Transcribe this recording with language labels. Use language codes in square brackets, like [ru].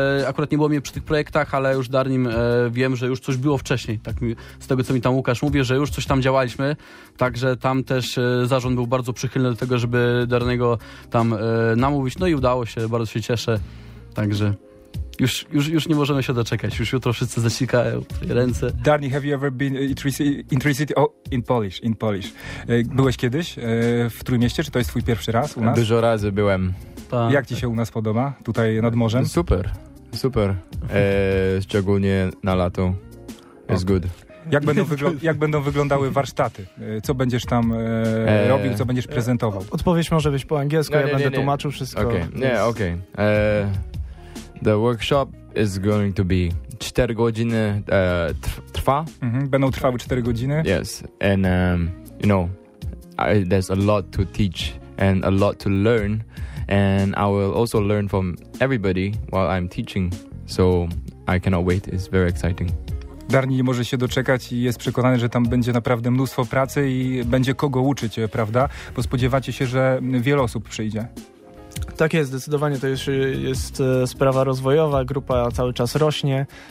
[pl] Akurat nie było mnie przy tych projektach, ale już Darnim wiem, że już coś było wcześniej. Tak mi, z tego, co mi tam Łukasz mówi, że już coś tam działaliśmy. Także tam też zarząd był bardzo przychylny do tego, żeby Darniego tam namówić. No i udało się, bardzo się cieszę. Także... Już nie możemy się doczekać. Już jutro wszyscy zasikają ręce. [en] Darni, have you ever been in Tri-City? Oh, in Polish. [pl] Byłeś kiedyś w Trójmieście? Czy to jest twój pierwszy raz u nas? Dużo razy byłem. Jak ci się u nas podoba tutaj nad morzem? Super. Szczególnie na lato. [en] It's good. [pl] Jak będą wyglądały warsztaty? Co będziesz tam robił? Co będziesz prezentował? Odpowiedź może być po angielsku. Ja będę tłumaczył wszystko. [en] Okej. The workshop is going to be [pl] 4 godziny trwa. Mm-hmm. Będą trwały 4 godziny. [en] Yes, and you know, there's a lot to teach and a lot to learn, and I will also learn from everybody while I'm teaching. So I cannot wait. It's very exciting. [pl] Darni nie może się doczekać i jest przekonany, że tam będzie naprawdę mnóstwo pracy i będzie kogo uczyć, prawda? Bo spodziewacie się, że wiele osób przyjdzie. Tak jest, zdecydowanie. To jest sprawa rozwojowa. Grupa cały czas rośnie.